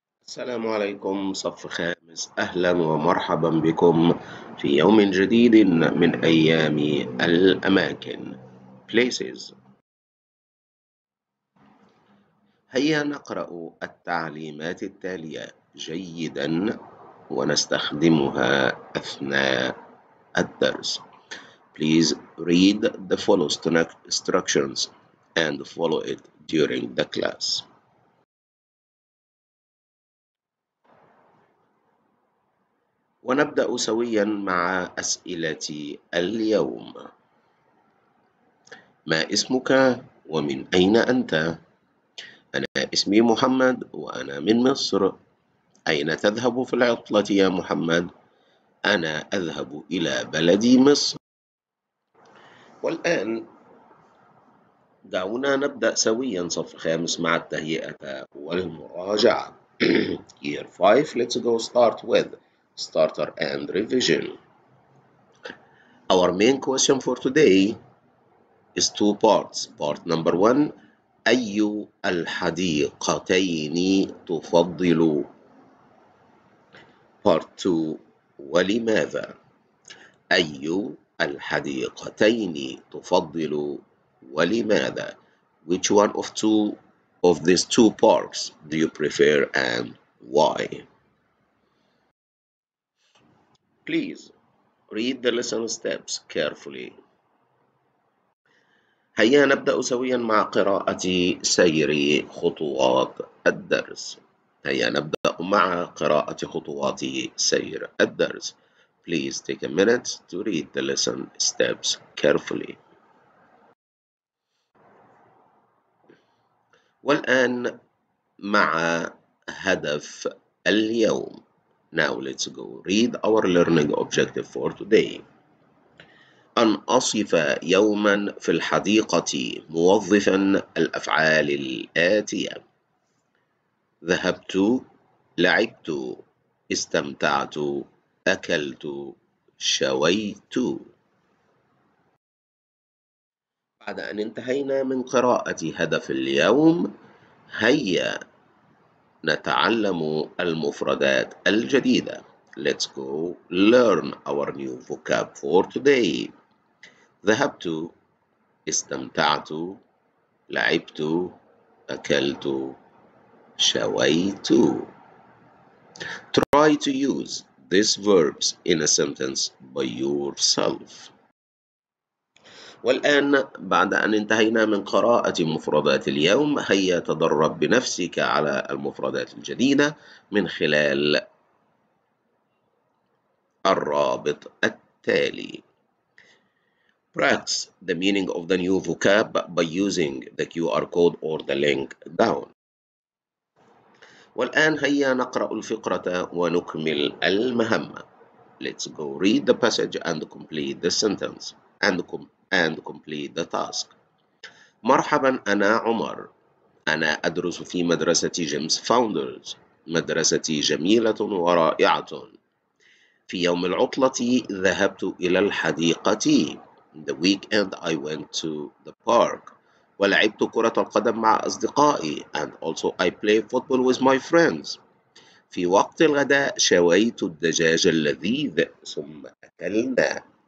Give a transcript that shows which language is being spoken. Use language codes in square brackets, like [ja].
[ar] السلام عليكم صف خامس، أهلا ومرحبا بكم في يوم جديد من أيام الأماكن places. هيا نقرأ التعليمات التالية جيدا ونستخدمها أثناء الدرس. [en] Please read the following instructions and follow it during the class. [ar] ونبدأ سويا مع أسئلة اليوم. ما اسمك ومن أين أنت؟ أنا اسمي محمد وأنا من مصر. أين تذهب في العطلة يا محمد؟ أنا أذهب إلى بلدي مصر. والآن دعونا نبدأ سويا صف خامس مع التهيئة والمراجعة. [en] Year 5, let's go start with starter and revision. Our main question for today is two parts. Part number one, [ar] أي الحديقتين تفضل؟ [en] Part two, [ar] ولماذا؟ أي الحديقتين تفضل ولماذا؟ [en] Which one of two of these two parks do you prefer and why? Please read the lesson steps carefully. [ar] هيا نبدأ سويا مع قراءة سير خطوات الدرس. هيا نبدأ مع قراءة خطوات سير الدرس. [en] Please take a minute to read the lesson steps carefully. [ar] والآن مع هدف اليوم. [en] Now let's go read our learning objective for today. [ar] أن أصف يوما في الحديقة موظفا الأفعال الآتية. ذهبت، لعبت، استمتعت، أكلت، شويت. بعد أن انتهينا من قراءة هدف اليوم، هيا نتعلم المفردات الجديدة. [en] Let's go learn our new vocab for today. [ar] ذهبت، استمتعت، لعبت، أكلت، شويت. [en] Try to use these verbs in a sentence by yourself. [ar] والآن بعد أن انتهينا من قراءة مفردات اليوم، هيا تدرب بنفسك على المفردات الجديدة من خلال الرابط التالي. [en] Practice the meaning of the new vocab by using the QR code or the link down. [ar] والآن هيا نقرأ الفقرة ونكمل المهمة. [en] Let's go read the passage and complete the sentence and complete the task. [ar] مرحبا أنا عمر. أنا أدرس في مدرسة جيمس فاوندرز. مدرستي جميلة ورائعة. في يوم العطلة ذهبت إلى الحديقة. [en] In the weekend I went to the park. [ar] ولعبت كرة القدم مع أصدقائي. [en] And also I play football with my friends. [ar] في وقت الغداء شويت الدجاج اللذيذ ثم أكلنا.